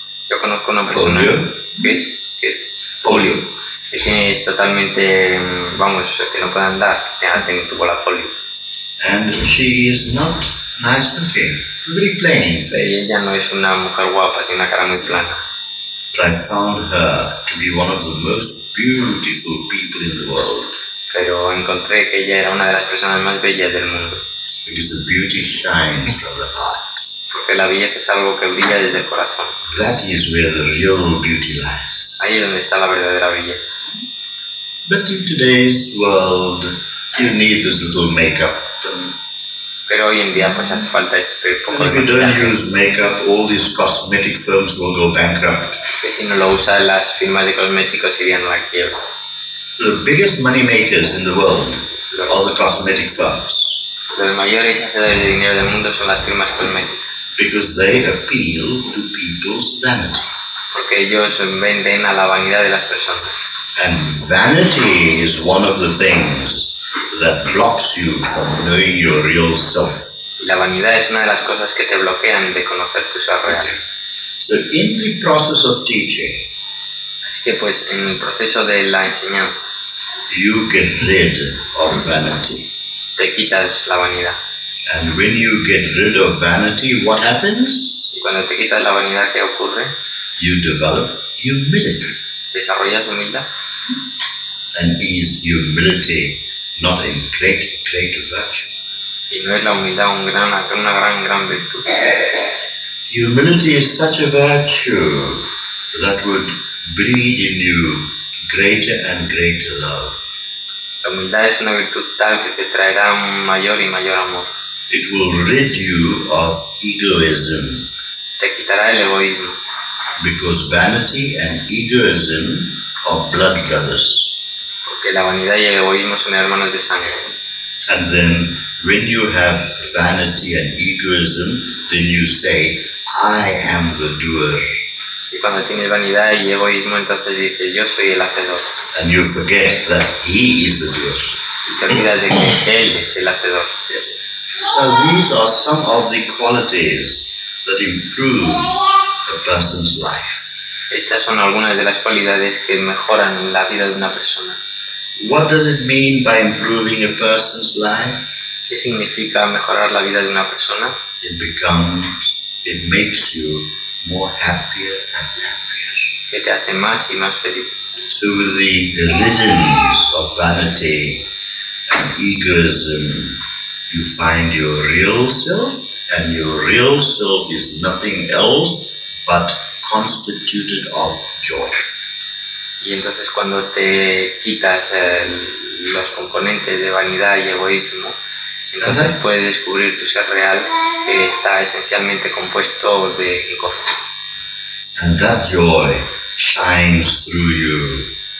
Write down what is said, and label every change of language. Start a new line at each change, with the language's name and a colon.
Spanish: Yo conozco una persona. Polio. ¿Qué es? Polio. Es que es totalmente, vamos, que no puede andar. Tiene tubo la polio.
English: And she is not nice looking. Very plain face.
Spanish: Y ella no es una mujer guapa, tiene una cara muy plana.
English: But I found her to be one of the most beautiful people in the world.
Spanish: Pero encontré que ella era una de las personas más bellas del mundo.
English: Because the beauty shines from the heart.
Spanish: Porque la belleza es algo que brilla desde el corazón.
English: That is where the real beauty lies.
Spanish: Ahí es donde está la verdadera belleza.
English: But in today's world, you need this little makeup.
Spanish: Pero hoy en día pues hace falta este poco de maquillaje.
English: If you don't use makeup, all these cosmetic firms will go bankrupt.
Spanish: Que si no lo usan las firmas de cosméticos irían a la quiebra.
English: The biggest money makers in the world are all the cosmetic firms.
Spanish: Los mayores hacedores de dinero del mundo son las firmas cosméticas.
English: Because they appeal to people's vanity.
Spanish: Porque ellos venden a la vanidad de las personas.
English: And vanity is one of the things that blocks you from knowing your real self.
Spanish: Y la vanidad es una de las cosas que te bloquean de conocer tu ser real.
English: So in the process of teaching,
Spanish: que pues en el proceso de la enseñanza
English: you get rid of vanity.
Spanish: Te quitas la vanidad.
English: And when you get rid of vanity, what happens?
Spanish: Y cuando te quitas la vanidad, ¿qué ocurre?
English: You develop humility.
Spanish: Desarrollas humildad.
English: And is humility not a great, great virtue?
Spanish: Y no es la humildad una gran virtud.
English: Humility is such a virtue that would breed in you greater and greater love.
Spanish: La humildad es una virtud tal que te traerá mayor y mayor amor.
English: It will rid you of egoism.
Spanish: Te quitará el egoísmo.
English: Because vanity and egoism are blood brothers.
Spanish: Porque la vanidad y el egoísmo son hermanos de sangre.
English: And then when you have vanity and egoism, then you say, I am the doer.
Spanish: Y cuando tienes vanidad y egoísmo, entonces dices, yo soy el hacedor.
English: And you forget that he is the doer.
Spanish: Y te olvidas de que él es el hacedor.
English: Yes. So these are some of the qualities that improve a person's life.
Spanish: Estas son algunas de las cualidades que mejoran la vida de una persona.
English: What does it mean by improving a person's life?
Spanish: ¿Qué significa mejorar la vida de una persona?
English: It becomes, it makes you more happier and happier.
Spanish: Que te hace más y más feliz.
English: So the religions of vanity and egoism, you find your real self, and your real self is nothing else but constituted of joy.
Spanish: Y entonces cuando te quitas los componentes de vanidad y egoísmo, entonces puedes descubrir tu ser real, que está esencialmente compuesto de gozo.
English: And that joy shines through you.